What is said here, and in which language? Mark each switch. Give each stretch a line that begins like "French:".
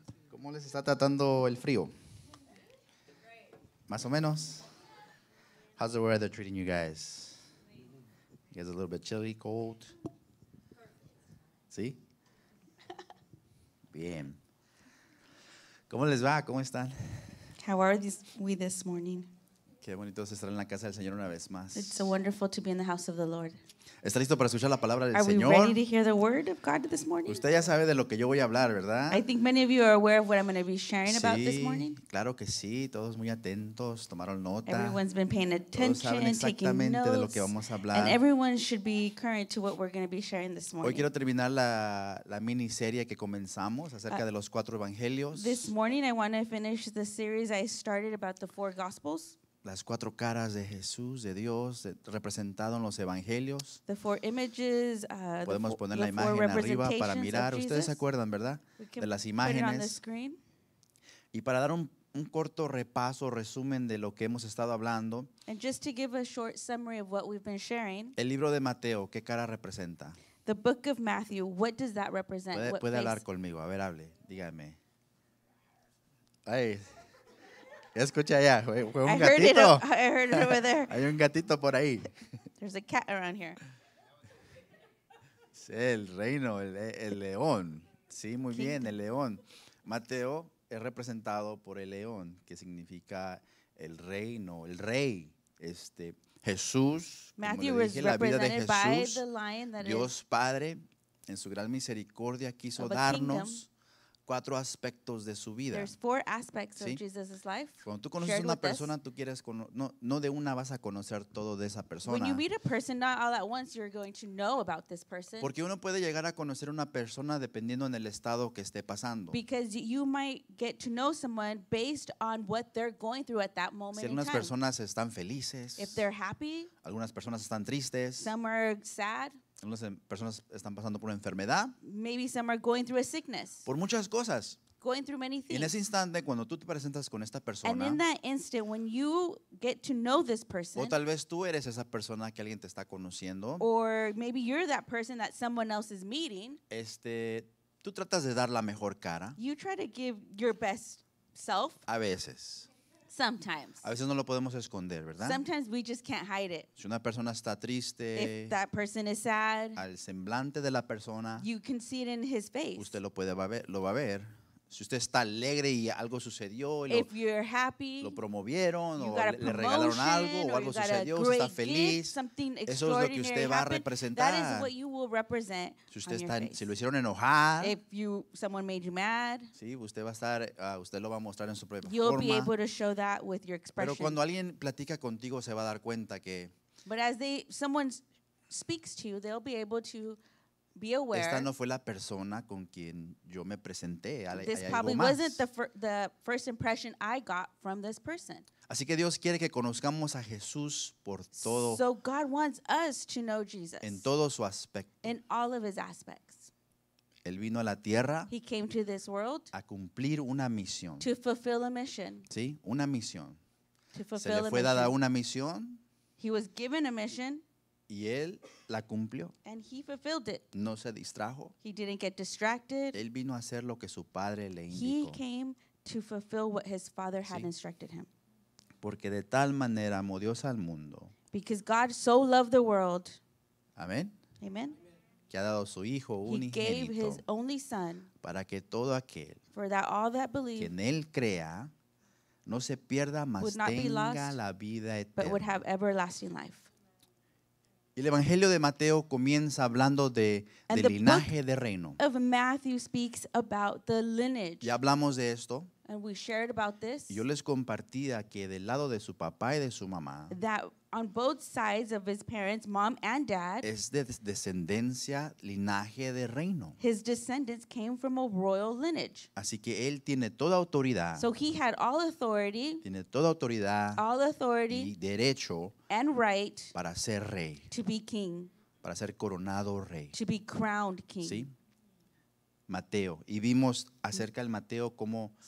Spanish: ¿Cómo les está tratando el frío? Más o menos.
English: How's the weather treating you guys? You guys a little bit chilly, cold?
Spanish: ¿Sí? Bien. ¿Cómo les va? ¿Cómo están?
English: How are we this morning?
Spanish: Qué bonito es estar en la casa del Señor una vez más.
English: It's so wonderful to be in the house of the Lord.
Spanish: ¿Está listo para escuchar la palabra del Señor?
English: Are we ready to hear the word of God this morning?
Spanish: Usted ya sabe de lo que yo voy a hablar, ¿verdad?
English: I think many of you are aware of what I'm going to be sharing about this morning.
Spanish: Sí, claro que sí. Todos muy atentos, tomaron nota.
English: Everyone's been paying attention, taking notes.
Spanish: Todos saben exactamente de lo que vamos a hablar.
English: And everyone should be current to what we're going to be sharing this morning.
Spanish: Hoy quiero terminar la miniserie que comenzamos acerca de los cuatro evangelios.
English: This morning I want to finish the series I started about the four gospels.
Spanish: Las cuatro caras de Jesús, de Dios, representado en los evangelios.
English: The four images,
Spanish: podemos poner la imagen arriba para mirar. Ustedes se acuerdan, ¿verdad? De las imágenes. Y para dar un corto repaso, resumen de lo que hemos estado hablando.
English: And just to give a short summary of what we've been sharing.
Spanish: El libro de Mateo, ¿qué cara representa?
English: The book of Matthew, what does that represent?
Spanish: Puede hablar conmigo, a ver, hable, dígame. Ahí. Ya escucha ya, fue un gatito.
English: I heard it over there.
Spanish: Hay un gatito por ahí.
English: There's a cat around here.
Spanish: Sí, el reino, el león. Sí, muy King. Bien, el león. Mateo es representado por el león, que significa el reino, el rey. Jesús,
English: Matthew
Spanish: como le dije, la vida de Jesús. Dios
English: is
Spanish: Padre, en su gran misericordia, quiso darnos
English: kingdom.
Spanish: Cuatro aspectos de su vida.
English: There's four aspects of Jesus's life.
Spanish: Cuando tú conoces una persona, tú quieres no de una vas a conocer todo de esa persona.
English: When you meet a person, not all at once, you're going to know about this person.
Spanish: Porque uno puede llegar a conocer una persona dependiendo en el estado que esté pasando.
English: Because you might get to know someone based on what they're going through at that moment.
Spanish: Si algunas personas están felices.
English: If they're happy.
Spanish: Algunas personas están tristes.
English: Some are sad.
Spanish: Algunas personas están pasando por una enfermedad.
English: Maybe some are going through a sickness.
Spanish: Por muchas cosas.
English: Going through many things.
Spanish: Y en ese instante, cuando tú te presentas con esta persona.
English: And in that instant, when you get to know this person.
Spanish: O tal vez tú eres esa persona que alguien te está conociendo.
English: Or maybe you're that person that someone else is meeting.
Spanish: Tú tratas de dar la mejor cara.
English: You try to give your best self.
Spanish: A veces.
English: Sometimes.
Spanish: A veces no lo podemos esconder, ¿verdad?
English: Sometimes we just can't hide it.
Spanish: Si una persona está triste,
English: if that person is sad,
Spanish: al semblante de la persona,
English: you can see it in his face.
Spanish: Usted lo va a ver. Si usted está alegre y algo sucedió,
English: if you're happy,
Spanish: lo promovieron
English: you
Spanish: o
English: got a
Spanish: le regalaron algo o algo sucedió,
English: great
Spanish: está feliz,
English: gift, something
Spanish: eso es lo que usted va a representar.
English: That is what you will represent.
Spanish: Si usted está, si lo hicieron enojar,
English: if you, someone made you mad,
Spanish: sí, usted va a estar, usted lo va a mostrar en su propia
English: you'll
Spanish: forma.
English: Be able to show that with your expression.
Spanish: Pero cuando alguien platica contigo se va a dar cuenta que
English: but as they, someone speaks to you, they'll be able to be aware.
Spanish: Esta no fue la persona con quien yo me presenté.
English: This probably wasn't the first impression I got from this person.
Spanish: Así que Dios quiere que conozcamos a Jesús por todo.
English: So God wants us to know Jesus.
Spanish: En todo su aspecto.
English: In all of his aspects.
Spanish: Él vino a la tierra.
English: He came to this world.
Spanish: A cumplir una misión.
English: To fulfill a mission.
Spanish: Sí, una misión.
English: To fulfill
Spanish: se le fue
English: a
Spanish: dada
English: mission.
Spanish: Una misión.
English: He was given a mission.
Spanish: Y él la cumplió.
English: And he fulfilled it.
Spanish: No se distrajo.
English: He didn't get distracted.
Spanish: Él vino a hacer lo que su padre le indicó.
English: He came to fulfill what his father had instructed him.
Spanish: Porque de tal manera amó Dios al mundo.
English: Because God so loved the world.
Spanish: Amén.
English: Amen.
Spanish: Que ha dado su hijo unigénito.
English: He gave his only son.
Spanish: Para que todo aquel.
English: For that all that believe.
Spanish: Que en él crea. No se pierda más tenga la vida eterna.
English: But would have everlasting life.
Spanish: Y el Evangelio de Mateo comienza hablando del linaje de reino.
English: And the book of Matthew speaks about the lineage.
Spanish: Ya hablamos de esto.
English: And we shared about this.
Spanish: Y yo les compartía que del lado de su papá y de su mamá.
English: That on both sides of his parents, mom and dad.
Spanish: Es de descendencia, linaje de reino.
English: His descendants came from a royal lineage.
Spanish: Así que él tiene toda autoridad.
English: So he had all authority.
Spanish: Tiene toda autoridad.
English: All authority.
Spanish: Y derecho.
English: And right.
Spanish: Para ser rey.
English: To be king.
Spanish: Para ser coronado rey.
English: To be crowned king.
Spanish: Sí. Mateo. Y vimos acerca del Mateo cómo